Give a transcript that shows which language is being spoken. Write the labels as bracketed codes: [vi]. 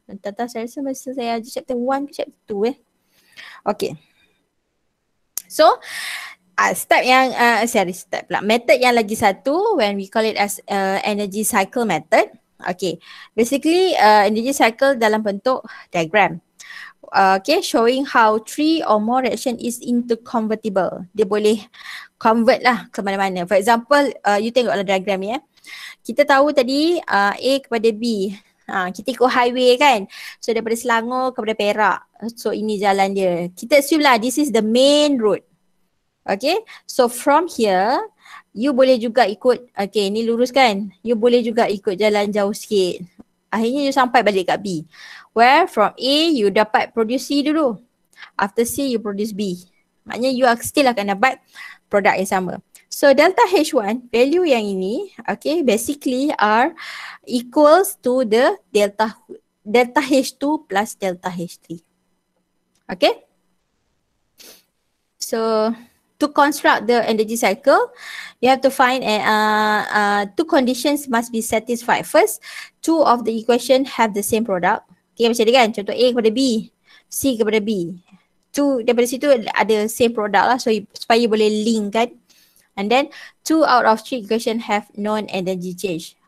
[ms] Tentang saya rasa masa saya ajar chapter 1 ke chapter 2 [en] Okay, so step [ms] yang, sorry step pula. Method yang lagi satu, [en] when we call it as energy cycle method. [ms] Okay, basically energy cycle dalam bentuk diagram. [en] Okay, showing how three or more reaction is interconvertible. [ms] Dia boleh convert lah ke mana-mana. [en] For example, [ms] you tengok dalam diagram ni. Kita tahu tadi A kepada B. Kita ikut highway kan. So, daripada Selangor kepada Perak. So, ini jalan dia. Kita assume lah, [en] this is the main road. Okay, so from here, [ms] you boleh juga ikut, okay, ni lurus kan. You boleh juga ikut jalan jauh sikit. Akhirnya, you sampai balik kat B. [en] Where from A, [ms] you dapat produce C dulu. [en] After C, you produce B. [ms] Maknanya you still akan dapat produk yang sama. [en] So delta H1, [ms] value yang ini, [en] okay, basically are equals to the delta H2 plus delta H3. Okay? So to construct the energy cycle, you have to find two conditions must be satisfied. First, two of the equation have the same product. [ms] Okay, macam ni kan? Contoh A kepada B, C kepada B. Two, daripada situ ada same product lah, so supaya you boleh link kan. [en] And then, two out of three equation have non-energy change.